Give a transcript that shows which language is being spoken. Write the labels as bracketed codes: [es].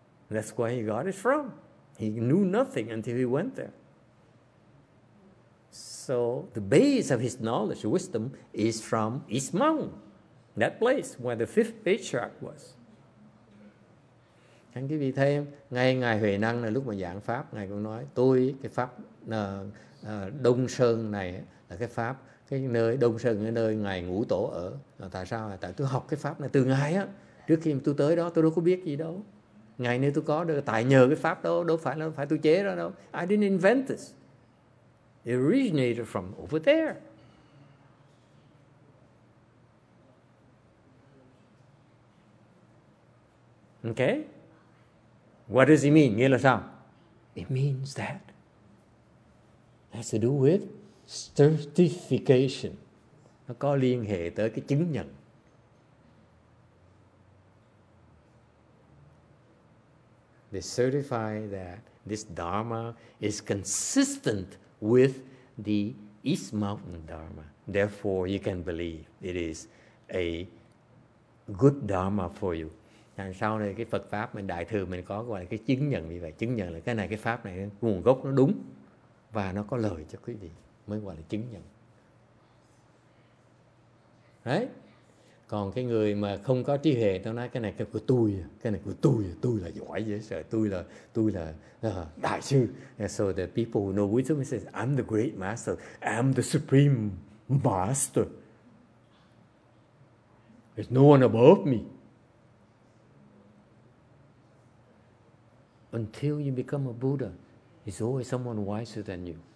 [en] That's where he got it from. He knew nothing until he went there. So the base of his knowledge, wisdom, is from East Mountain, that place where the fifth patriarch was. [vi] Thánh quý vị thấy ngay ngài Huệ Năng là lúc mà giảng pháp ngài cũng nói tôi cái pháp Đông Sơn này là cái pháp cái nơi Đông Sơn cái nơi ngài Ngũ Tổ ở. Tại sao? Tại tôi học cái pháp này từ ngài á, trước khi tôi tới đó tôi đâu có biết gì đâu. Ngài nếu tôi có được tại nhờ cái pháp đó, đâu phải là phải tôi chế ra đâu. [en] I didn't invent this. It originated from over there. Okay? What does it mean? [vi] Nghĩa là sao? [en] It means that has to do with certification. [vi] Nó có liên hệ tới cái chứng nhận. [en] They certify that this Dharma is consistent with the East Mountain Dharma. Therefore, you can believe it is a good Dharma for you. [vi] Thành sau này cái Phật pháp mình đại thừa mình có gọi là cái chứng nhận như vậy, chứng nhận là cái này cái pháp này nguồn gốc nó đúng và nó có lời cho quý vị mới gọi là chứng nhận. Đấy. Còn cái người mà không có trí huệ tao nói cái này của tôi, tôi là giỏi dễ sợ, tôi là đại sư. [en] And so the people who know wisdom says I'm the great master, I'm the supreme master. There's no one above me. Until you become a Buddha, there's always someone wiser than you.